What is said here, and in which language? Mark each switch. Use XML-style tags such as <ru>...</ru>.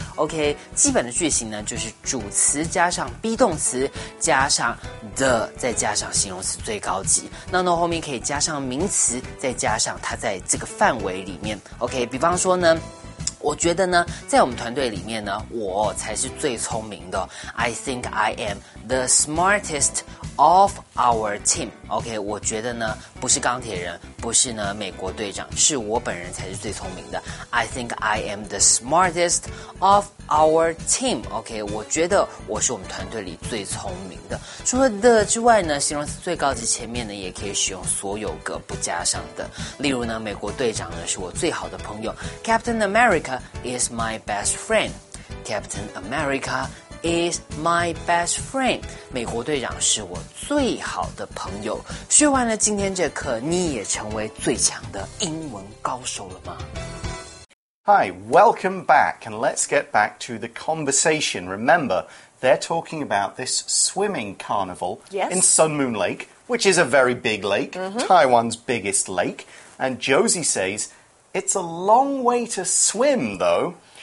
<zh>OK， 基本的句型呢就是主词加上 be 动词加上 the 再加上形容词最高级，那呢后面可以加上名词再加上它在这个范围里面。 OK， 比方说呢，我觉得呢在我们团队里面呢我才是最聪明的。</zh> <en>I think I am the smartest of our team。</en> <zh>OK， 我觉得呢不是钢铁人，不是呢美国队长，是我本人才是最聪明的。</zh> <en>I think I am the smartest of our team。</en> <zh>OK， 我觉得我是我们团队里最聪明的。除了 the 之外呢，形容词最高级前面呢也可以使用所有个不加上的，例如呢美国队长呢是我最好的朋友。</zh> <en>Captain America is my best friend。 Captain AmericaIs my best friend，</en> <zh>美国队长是我最好的朋友。学完了今天这课，你也成为最强的英文高手了吗？</zh> <en>Hi, welcome back, and let's get back to the conversation. Remember, they're talking about this swimming carnival、 yes. in Sun Moon Lake, which is a very big lake,、 mm-hmm. Taiwan's biggest lake. And Josie says, it's a long way to swim, though.</en>